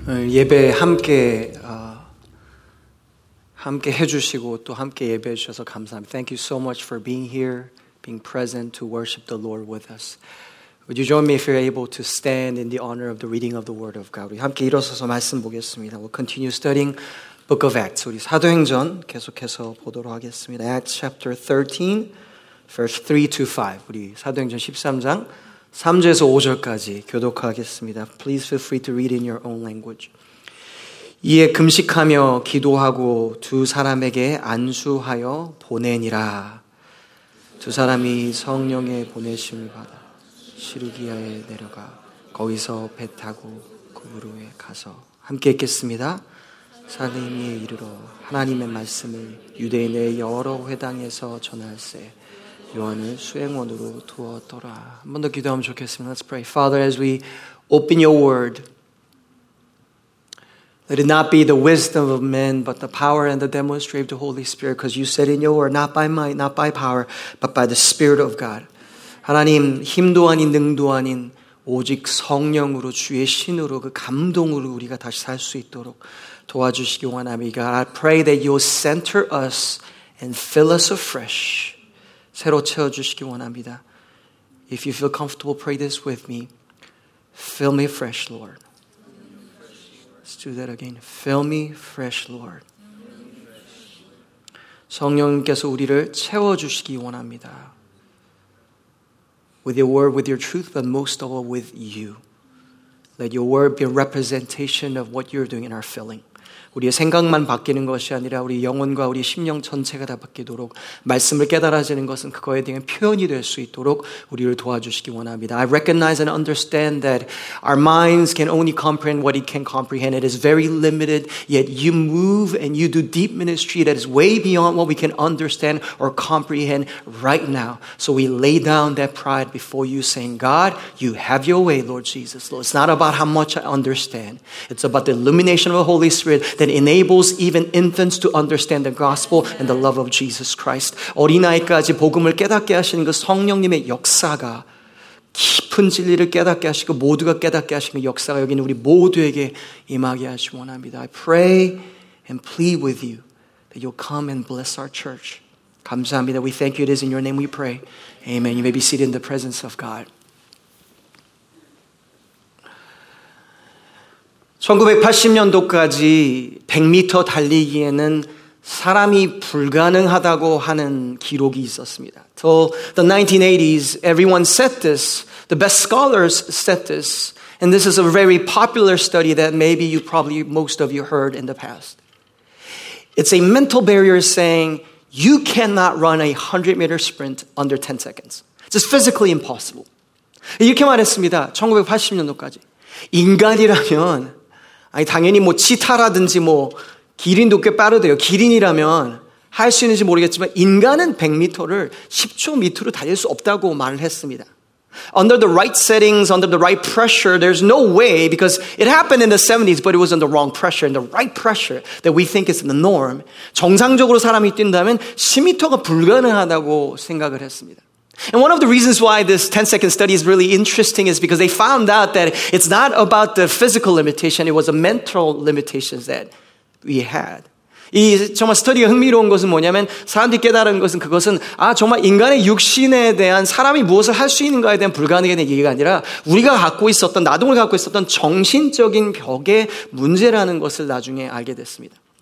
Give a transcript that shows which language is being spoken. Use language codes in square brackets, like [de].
[ko] 예배 함께 해주시고 또 함께 예배해 주셔서 감사합니다. [en] Thank you so much for being here, being present to worship the Lord with us. Would you join me if you're able to stand in the honor of the reading of the Word of God? [ko] 우리 함께 일어서서 말씀 보겠습니다. [en] We'll continue studying Book of Acts. [ko] 우리 사도행전 계속해서 보도록 하겠습니다. [en] Acts chapter 13, verse 3 to 5. [ko] 우리 사도행전 13장. 3절에서 5절까지 교독하겠습니다. [en] Please feel free to read in your own language. [ko] 이에 금식하며 기도하고 두 사람에게 안수하여 보내니라. 두 사람이 성령의 보내심을 받아 시르기아에 내려가 거기서 배 타고 구브로에 가서 함께 있겠습니다. 살림에 이르러 하나님의 말씀을 유대인의 여러 회당에서 전할세 요한을 수행원으로 두었더라. 한 번 더 기도하면 좋겠습니다. [en] Let's pray. Father, as we open your word, let it not be the wisdom of men, but the power and the demonstration of the Holy Spirit, because you said in your word, not by might, not by power, but by the Spirit of God. [ko] 하나님, 힘도 아닌 능도 아닌 오직 성령으로 주의 신으로 그 감동으로 우리가 다시 살 수 있도록 도와주시기 원합니다. [en] I pray that you'll center us and fill us afresh. [ko] 새로 채워주시기 원합니다. [en] If you feel comfortable, pray this with me. Fill me fresh, Lord. Let's do that again. Fill me fresh, Lord. [ko] 성령님께서 우리를 채워주시기 원합니다. [en] With your word, with your truth, but most of all with you. Let your word be a representation of what you're doing in our filling. [ko] 우리의 생각만 바뀌는 것이 아니라 우리 영혼과 우리 심령 전체가 다 바뀌도록 말씀을 깨달아지는 것은 그거에 대한 표현이 될 수 있도록 우리를 도와주시기 원합니다. [en] I recognize and understand that our minds can only comprehend what it can comprehend. It is very limited, yet you move and you do deep ministry that is way beyond what we can understand or comprehend right now. So we lay down that pride before you saying, God, you have your way, Lord Jesus. Lord, it's not about how much I understand. It's about the illumination of the Holy Spirit that enables even infants to understand the gospel and the love of Jesus Christ. [ko] 어린아이까지 복음을 깨닫게 하시는 그 성령님의 역사가 깊은 진리를 깨닫게 하시고 모두가 깨닫게 하시는 그 역사가 여기 우리 모두에게 임하게 하시기 원합니다. [en] I pray and plead with you that you'll come and bless our church. [ko] 감사합니다. [en] We thank you. It is in your name we pray. Amen. You may be seated in the presence of God. [ko] 1980년도까지 100m 달리기에는 사람이 불가능하다고 하는 기록이 있었습니다. [en] So the 1980s, everyone said this. The best scholars said this. And this is a very popular study that maybe you probably, most of you heard in the past. It's a mental barrier saying you cannot run a 100m sprint under 10 seconds. It's physically impossible. [ko] 이렇게 말했습니다. 1980년도까지. 인간이라면 아니 당연히 뭐 치타라든지 뭐 기린도 꽤 빠르대요. 기린이라면 할 수 있는지 모르겠지만 인간은 100m를 10초 밑으로 달릴 수 없다고 말을 했습니다. [en] Under the right settings, under the right pressure, there's no way because it happened in the 70s but it was under wrong pressure and the right pressure that we think is the norm. [ko] 정상적으로 사람이 뛴다면 10m가 불가능하다고 생각을 했습니다. [en] And one of the reasons why this 10-second study is really interesting is because they found out that it's not about the physical limitation, it was the mental limitations that we had. [ko] 이 정말 스터디가 흥미로운 것은 뭐냐면 사람들이 깨달은 것은 그것은 아 정말 인간의 육신에 대한 사람이 무엇을 할 수 있는가에 대한 불가능에 대한 얘기가 아니라 우리가 갖고 있었던, 나동을 갖고 있었던 정신적인 벽의 문제라는 것을 나중에 알게 됐습니다.